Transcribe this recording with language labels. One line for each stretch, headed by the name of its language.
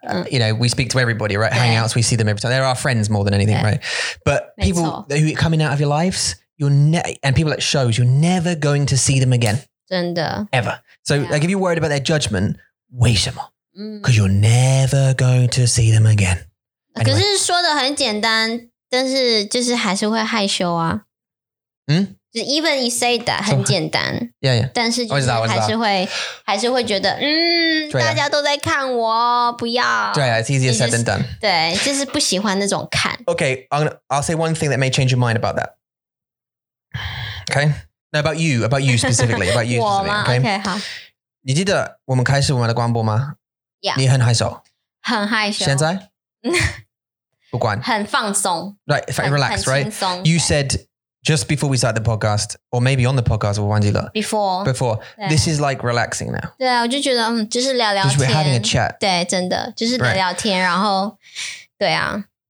English: You know, we speak to everybody, right? Hangouts, we see them every time. They're our friends more than anything, right? But people who are coming out of your lives, and people at shows, you're never going to see them again. Ever. So like, if you're worried about their judgment, 为什么? Because you're never going to see them again. Anyway.
Chinese: 可是说的很简单, 但是就是还是会害羞啊。
English: Even you say that,
Chinese: 很简单。
English: Yeah, yeah.
Chinese: 但是还是会觉得, 大家都在看我, 不要。对啊,
English: it's easier said than done.
Chinese: 对, 就是不喜欢那种看。
English: Okay, I'll say one thing that may change your mind about that. Okay. No, about you specifically, about you specifically, okay?
Chinese: 你记得我们开始我们的广播吗?
English: Yeah.
Chinese: 你很害羞。很害羞。现在?不管。很放松。
English: Right, if I relax, right? You said just before we started the podcast, or maybe on the podcast,
Chinese: 我忘记了。
English: Before. Before. This is like relaxing now.
Chinese: 对啊,我就觉得, 就是聊聊天。
English: Just we're having a chat.
Chinese: 对,真的,就是聊聊天,然后, 对啊。